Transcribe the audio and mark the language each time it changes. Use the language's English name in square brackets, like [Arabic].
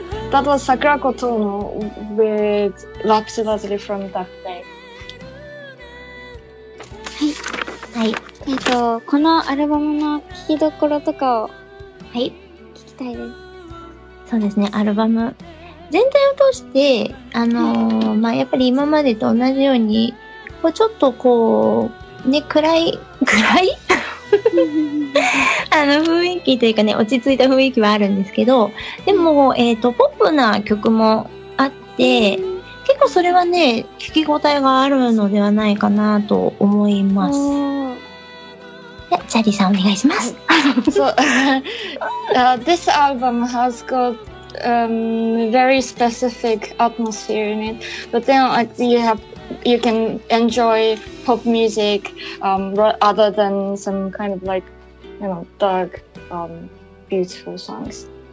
[English] That was Sakurako Tono with Rhapsody from That Day. [Japanese] はい。はい。このアルバムの聴きどころとかを、はい、聞きたいです。そうですね、アルバム。全体を通して、まあ、やっぱり今までと同じように、こうちょっとこう、ね、暗い雰囲気というかね、落ち着いた雰囲気はあるんですけど、でも、ポップな曲もあって、結構それはね、聞き応えがあるのではないかなと思います。じゃあ、チャリさんお願いします。 [English] So, this album has got very specific atmosphere in it, but then you can enjoy pop music other than some kind of like, you know, dark, beautiful songs.